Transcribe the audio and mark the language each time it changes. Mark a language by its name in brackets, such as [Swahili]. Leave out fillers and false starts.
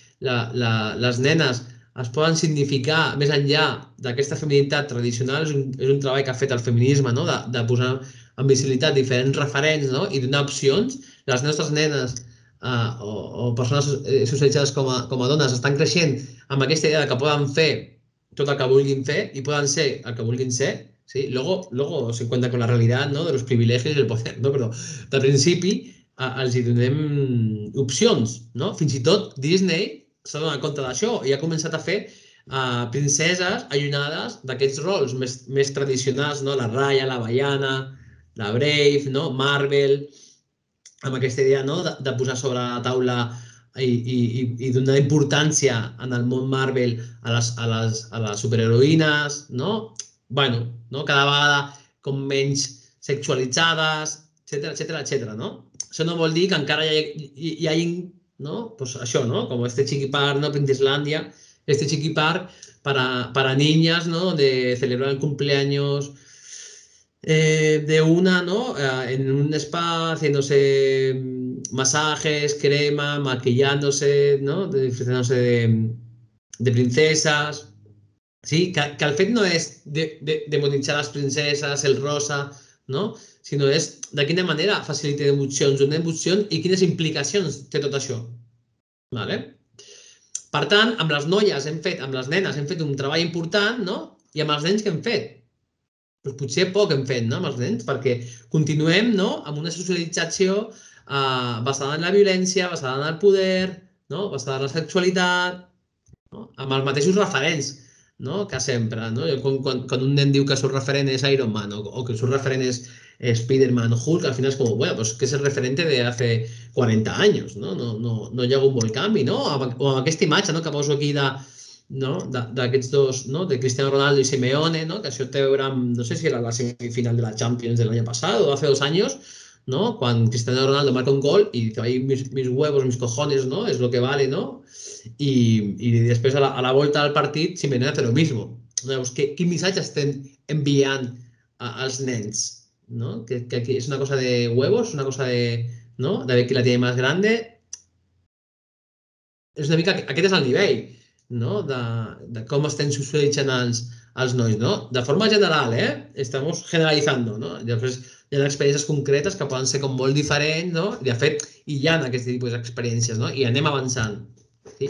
[Catalan] Les nenes es poden significar més enllà d'aquesta feminitat tradicional, és un treball que ha fet el feminisme, no? De posar en visibilitat diferents referents, no? I donar opcions. Les nostres nenes o persones socialitzades com a dones estan creixent amb aquesta idea de que poden fer tot el que vulguin fer i poden ser el que vulguin ser, sí? [Spanish] Luego se cuenta con la realidad, no? De los privilegios y el poder, no? [Catalan] Però de principi els hi donem opcions, no? Fins i tot Disney s'ha donat compte d'això i ha començat a fer princeses allunyades d'aquests rols més tradicionals, no? La Raya, la Baiana, la Brave, no? Marvel, amb aquesta idea, no? De posar sobre la taula i donar importància en el món Marvel a les superheroïnes, no? Bueno, no? Cada vegada com menys sexualitzades, etcètera, etcètera, etcètera, no? Això no vol dir que encara hi hagi, no? [Spanish] Pues [Catalan] això, [Spanish] no? Com este chiqui park, no? Princeslàndia, este chiqui park para niñas, no? Donde celebran cumpleaños de una, no? En un spa, haciéndose masajes, crema, maquillándose, no? Disfrazándose de princesas, [Catalan] Sí, que el fet no és demonitzar les princeses, el rosa, no? Sinó és de quina manera facilita emocions o no emocions i quines implicacions té tot això. Vale? Per tant, amb les noies hem fet, amb les nenes hem fet un treball important, no? I amb els nens què hem fet? Pues potser poc hem fet, no? Amb els nens, perquè continuem, no? Amb una socialització basada en la violència, basada en el poder, no? Basada en la sexualitat, no? Amb els mateixos referents, no? Que sempre, no? Jo, quan un nen diu que el seu referent és Iron Man o que el seu referent és Spider-Man o Hulk, al final és com, bueno, pues que és el referent de hace 40 anys, no? No hi ha hagut molt canvi, no? O amb aquesta imatge, no? Que poso aquí de, no? D'aquests dos, no? De Cristiano Ronaldo i Simeone, no? Que això té a veure amb, no sé si era la semifinal de la Champions de l'any passat o hace 2 anys, no? Quan Cristiano Ronaldo marca un gol i [Spanish] dice, ahí mis huevos, mis cojones, no? [Catalan] És [Spanish] lo que vale, [Catalan] no? I després a la volta del partit Simeone [Spanish] hace lo mismo. [Catalan] Llavors, quin missatge estem enviant als nens, no? Que aquí és una cosa de huevos, una cosa de, no? [Spanish] De ver qui la tiene más grande. [Catalan] És una mica, aquest és el nivell, no? De com estem socialitzant els nois, no? De forma general, [Spanish] estamos generalizando, [Catalan] no? Llavors, hi ha experiències concretes que poden ser com molt diferents, no? De fet, hi ha aquest tipus d'experiències, no? I anem avançant. Sí?